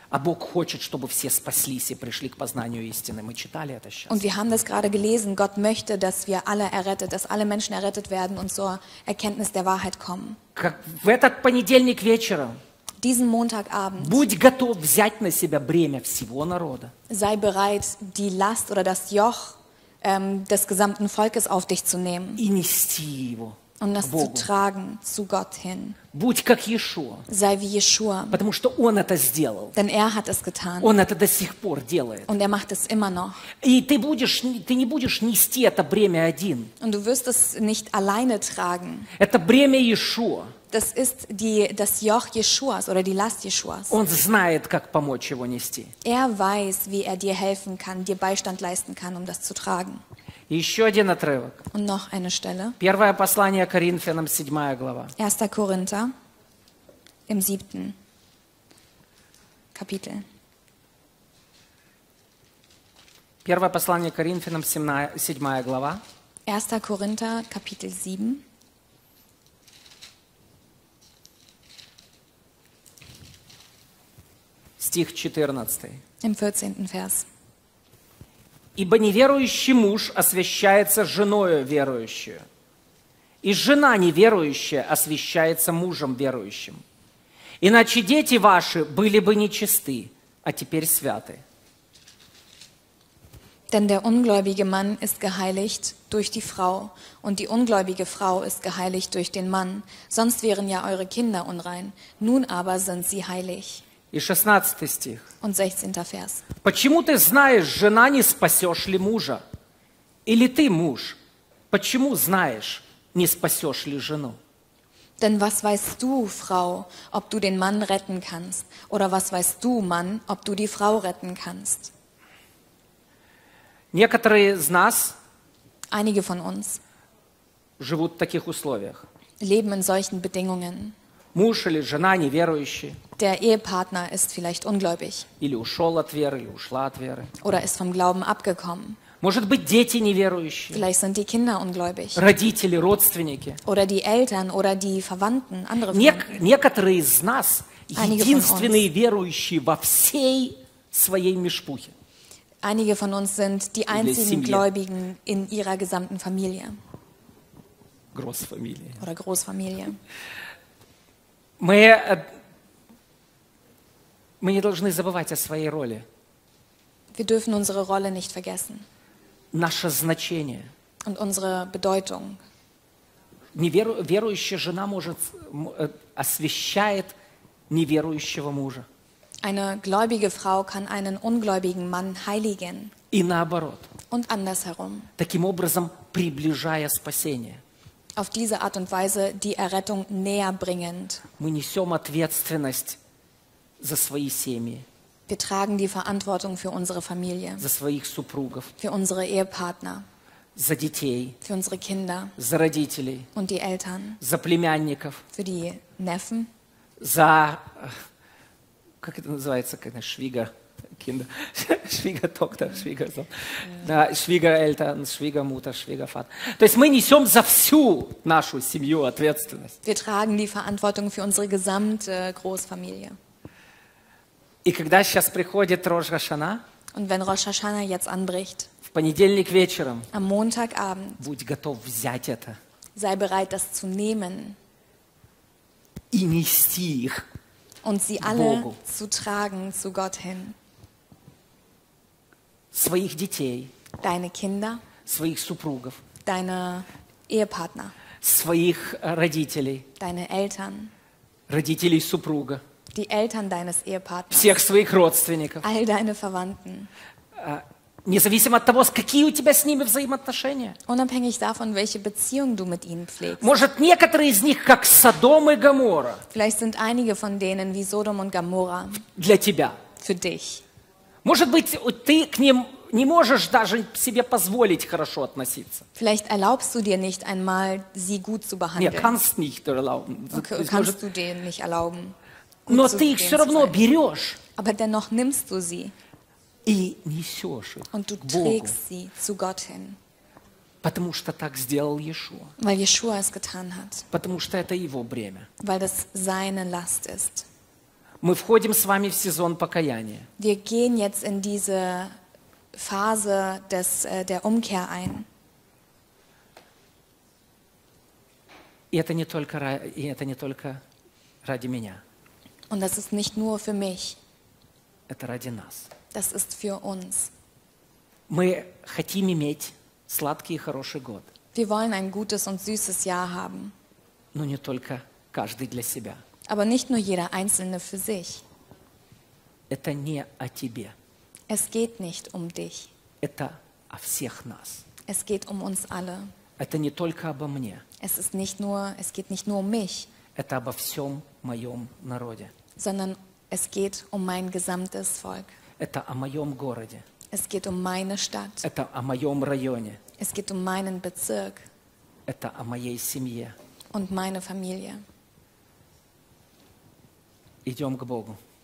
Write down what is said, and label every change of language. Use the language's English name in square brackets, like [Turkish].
[Russian] А Бог хочет, чтобы все спаслись и пришли к познанию истины. Мы читали это сейчас. [German] Und wir haben das gerade gelesen. Gott möchte, dass wir alle errettet, dass alle Menschen errettet werden und zur Erkenntnis der Wahrheit kommen. [Russian] Как в этот понедельник вечером. [German] Diesen Montagabend. [Russian] Будь готов взять на себя бремя всего народа. [German] Sei bereit, die Last oder das Joch des gesamten Volkes auf dich zu nehmen. [Russian] И нести его. [German] Und das zu tragen zu Gott hin. [Russian] Будь как Иешуа. [German] Sei wie Иешуа. [Russian] Потому что он это сделал. [German] Denn er hat es getan. [Russian] Он это до сих пор делает. [German] Und er macht es immer noch. [Russian] И ты не будешь нести это бремя один. [German] Und du wirst es nicht alleine tragen. [Russian] Это бремя Иешуа. [German] Das ist das Joch Jeschuas oder die Last Jeschuas. [Russian] Он знает, как помочь его нести. [German] Er weiß, wie er dir helfen kann, dir Beistand leisten kann, um das zu tragen. [Russian] Еще один отрывок. [German] Und noch eine Stelle. [Russian] Первое послание Коринфянам, 7 глава. [German] 1. Korinther, im 7. Kapitel. [Russian] Первое послание Коринфянам, 7 глава. [German] 1. Korinther, Kapitel 7. [Russian] Стих 14. [German] Im 14. Vers. [Russian] Ибо неверующий муж освящается женою верующую, и жена неверующая освящается мужем верующим. Иначе дети ваши были бы нечисты, а теперь святы. [German] Denn der ungläubige Mann ist geheiligt durch die Frau, und die ungläubige Frau ist geheiligt durch den Mann. Sonst wären ja eure Kinder unrein, nun aber sind sie heilig. [Russian] И 16 стих. [German] Und 16. Vers. [Russian] Почему ты знаешь, жена не спасешь ли мужа? Или ты, муж, почему знаешь, не спасешь ли жену? [German] Denn was weißt du, Frau, ob du den Mann retten kannst? Oder was weißt du, Mann, ob du die Frau retten kannst? [Russian] Некоторые из нас, [German] einige von uns, [Russian] живут в таких условиях. [German] Leben in solchen Bedingungen. [Russian] Муж или жена неверующие. [German] Der Ehepartner ist vielleicht ungläubig. [Russian] Или ушел от веры, или ушла от веры. [German] Oder ist vom Glauben abgekommen. [Russian] Может быть, дети неверующие. [German] Vielleicht sind die Kinder ungläubig. [Russian] Родители, родственники. [German] Oder die Eltern oder die Verwandten, andere Verwandten. [Russian] Некоторые из нас единственные верующие во всей своей мешпухе. [German] Einige von uns sind die einzigen Gläubigen in ihrer gesamten Familie. Großfamilie. Oder Großfamilie. [Russian] Мы не должны забывать о своей роли. [German] Wir dürfen unsere Rolle nicht vergessen. [Russian] Наше значение. [German] Und unsere Bedeutung. [Russian] Верующая жена может освещает неверующего мужа. [German] Eine gläubige Frau kann einen ungläubigen Mann heiligen. [Russian] И наоборот. [German] Und andersherum. [Russian] Таким образом приближая спасение. [German] Auf diese Art und Weise die Errettung näher bringend. [Russian] Мы несем ответственность за свои семьи. [German] Wir tragen die Verantwortung für unsere Familie. [Russian] За своих супругов. [German] Für unsere Ehepartner. [Russian] За детей. [German] Für unsere Kinder. [Russian] За родителей. [German] Und die Eltern. [Russian] За племянников. [German] Für die Neffen. [Russian] За, как это называется, когда [German] Schwiegerkinder, Schwiegertochter, Schwiegersohn, Schwiegereltern, Schwiegermutter, Schwiegervater. [Russian] То есть мы несем за всю нашу семью ответственность. [German] Wir tragen die Verantwortung für unsere gesamte Großfamilie. [Russian] И когда сейчас приходит Рош Хашана, [German] und wenn Rosh Hashanah jetzt anbricht, [Russian] в понедельник вечером, [German] am Montagabend, [Russian] будь готов взять это, [German] sei bereit, das zu nehmen, [Russian] и нести их [German] und sie alle zu tragen zu Gott hin. [Russian] Своих детей, [German] deine Kinder, [Russian] своих супругов, [German] deine Ehepartner, [Russian] своих родителей, [German] deine Eltern, [Russian] родителей супруга, [German] die Eltern deines Ehepartners, [Russian] всех своих родственников, [German] all deine Verwandten. [Russian] Независимо от того, какие у тебя с ними взаимоотношения. [German] Unabhängig davon, welche Beziehung du mit ihnen pflegst. [Russian] Может, некоторые из них как Содом и Гоморра. [German] Vielleicht sind einige von denen wie Sodom und Gomorra. [Russian] Для тебя. [German] Für dich. [Russian] Может быть, ты к ним не можешь даже себе позволить хорошо относиться. [German] Vielleicht erlaubst du dir nicht einmal, sie gut zu behandeln. Nee, kannst nicht erlauben. Okay, kannst du denen nicht erlauben. [Russian] Но ты их все равно берешь. [German] Aber dennoch nimmst du sie. [Russian] И несешь их [German] und du trägst [Russian] Богу, [German] sie zu Gott hin. [Russian] Потому что так сделал Иешуа. [German] Weil Иешуа es getan hat. [Russian] Потому что это его бремя. [German] Weil das seine Last ist. [Russian] Мы входим с вами в сезон покаяния. [German] Wir gehen jetzt in diese Phase des, der Umkehr ein. [Russian] И это не только ради меня. [German] Und das ist nicht nur für mich. [Russian] Это ради нас. [German] Das ist für uns. [Russian] Мы хотим иметь сладкий и хороший год. [German] Wir wollen ein gutes und süßes Jahr haben. [Russian] Но не только каждый для себя. [German] Aber nicht nur jeder Einzelne für sich. [Russian] Это не о тебе. [German] Es geht nicht um dich. [Russian] Это о всех нас. [German] Es geht um uns alle. [Russian] Это не только обо мне. [German] Es ist nicht nur, es geht nicht nur um mich. [Russian] Это обо всем моем народе. [German] Sondern es geht um mein gesamtes Volk. [Russian] Это о моем городе. [German] Es geht um meine Stadt. [Russian] Это о моем районе. [German] Es geht um meinen Bezirk. [Russian] Это о моей семье. [German] Und meine Familie. [Russian] Идем к Богу.